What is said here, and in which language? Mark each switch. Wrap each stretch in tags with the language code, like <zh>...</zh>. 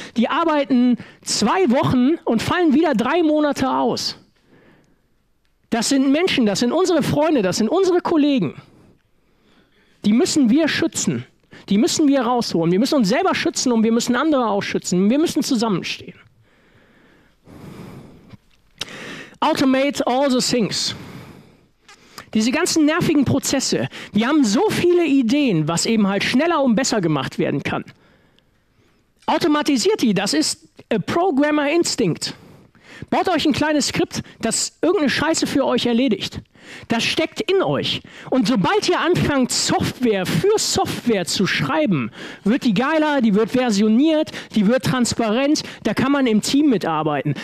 <de>Die arbeiten 2 Wochen und fallen wieder 3 Monate aus. Das sind Menschen, das sind unsere Freunde, das sind unsere Kollegen. Die müssen wir schützen. Die müssen wir rausholen. Wir müssen uns selber schützen und wir müssen andere auch schützen. Wir müssen zusammenstehen.</de> <en>Automate all the things.</en> <de>Diese ganzen nervigen Prozesse. Wir haben so viele Ideen, was eben halt schneller und besser gemacht werden kann. Automatisiert die, das ist</de> <en>a programmer instinct.</en> <de>Baut euch ein kleines Skript, das irgendeine Scheiße für euch erledigt. Das steckt in euch. Und sobald ihr anfangt, Software für Software zu schreiben, wird die geiler, die wird versioniert, die wird transparent, da kann man im Team mitarbeiten.</de>